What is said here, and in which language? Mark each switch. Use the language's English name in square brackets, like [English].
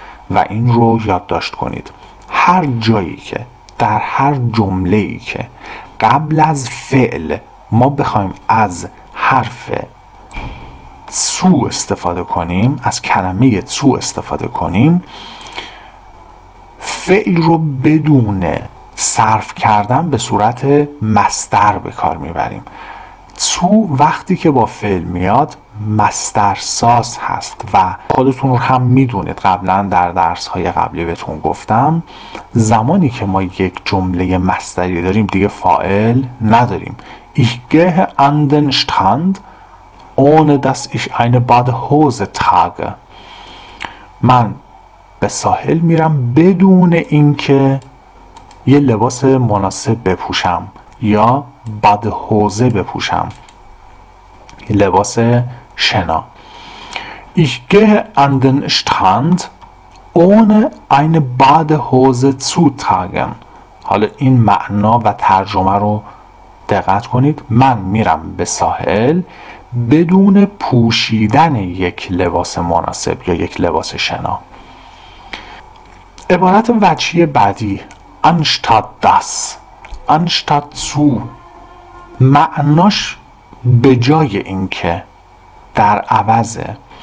[Persian] و این رو یادداشت کنید. هر جایی که در هر جمله‌ای که قبل از فعل ما بخوایم از حرف سو استفاده کنیم، از کلمه سو استفاده کنیم، فعل رو بدون صرف کردن به صورت مصدر به کار میبریم. تو وقتی که با فعل میاد مصدر ساز هست و خودتون رو هم میدونید، قبلا در درس های قبلی بهتون گفتم زمانی که ما یک جمله مصدری داریم دیگه فاعل نداریم. [German] Ich gehe an den Strand ohne dass ich eine Badehose trage. [Persian] من به ساحل میرم بدون اینکه یه لباس مناسب بپوشم یا بادهوزه بپوشم، لباس شنا. [German] Ich gehe an den Strand ohne eine Badehose zu tragen. [Persian] حالا این معنا و ترجمه رو دقت کنید. من میرم به ساحل بدون پوشیدن یک لباس مناسب یا یک لباس شنا. عبارت وجهی بعدی [German] anstatt das، anstatt zu، [Persian] معناش به جای این که، در عوضه.